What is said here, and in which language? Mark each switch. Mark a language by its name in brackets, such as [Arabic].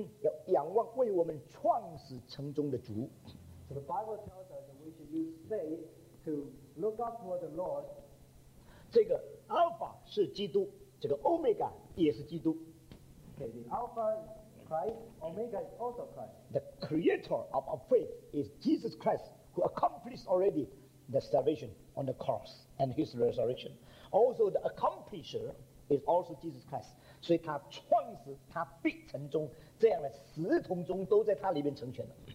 [Chinese] 所以圣经说，我们应当以信心要仰望为我们创始成终的主。 [English] So the Bible tells us that we should use faith to look up for the Lord. [Chinese] 这个 Alpha 是基督，这个 Omega 也是基督。 [English] Okay, the Alpha Christ, Omega is also Christ. The creator of our faith is Jesus Christ, who accomplished already the salvation on the cross and his resurrection. Also, the accomplisher is also Jesus Christ. [Chinese] 所以他创始，他必成终，这样的始同终都在他里面成全了。